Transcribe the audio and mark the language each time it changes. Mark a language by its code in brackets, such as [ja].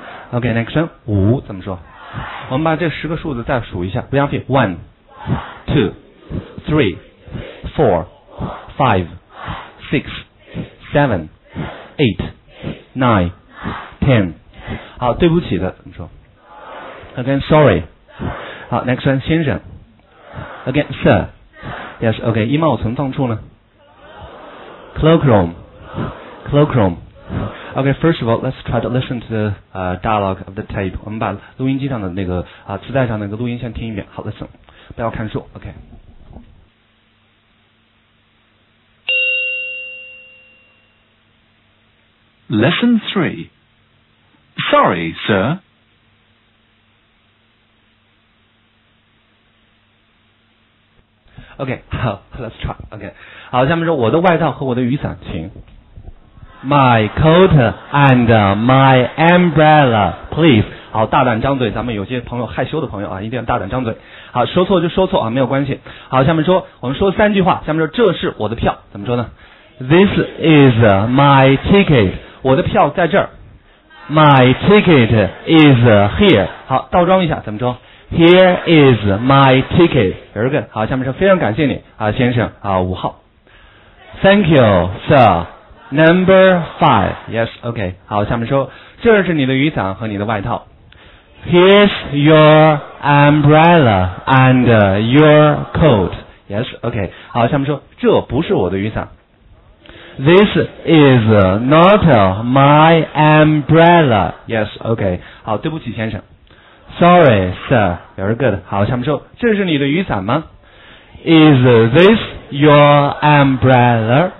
[en] OK， next one， [zh] 五怎么说？ 我们把这十个数字再数一下 [en] ，one, two, three, four, five, six, seven, eight, nine, ten。 [zh] 好，对不起的，你说 ？ [en] Again, sorry。好 ，next one， 先生。 Again, sir。 Yes, OK。 [zh] 衣帽存放处呢 ？Cloakroom, cloakroom。 [en] Okay, first of all, let's try to listen to the dialogue of the tape. [zh] 我们把录音机上的那个磁带上的那个录音先听一遍。好 ， [en] listen， [zh] 不要看书。 [en] Okay. Lesson three. Sorry, sir. Okay, 好 ，let's try. Okay. [zh] 好，下面说我的外套和我的雨伞，请。 [en] My coat and my umbrella, please. [zh] 好，大胆张嘴，咱们有些朋友害羞的朋友啊，一定要大胆张嘴。好，说错就说错啊，没有关系。好，下面说，我们说三句话。下面说，这是我的票，怎么说呢 ？This [en] is my ticket. [zh] 我的票在这儿。 [en] My ticket is here. [zh] 好，倒装一下，怎么说 [en] ？Here is my ticket. Very good. [zh] 好，下面说，非常感谢你啊，先生啊，五号。 [en] Thank you, sir. Number five. Yes, okay. [zh] 好，下面说，这是你的雨伞和你的外套。 [en] Here's your umbrella and your coat. Yes, okay. [zh] 好，下面说，这不是我的雨伞。 [en] This is not my umbrella. Yes, okay. [zh] 好，对不起，先生。 [en] Sorry, sir. Very good. [zh] 好，下面说，这是你的雨伞吗？ [en] Is this your umbrella?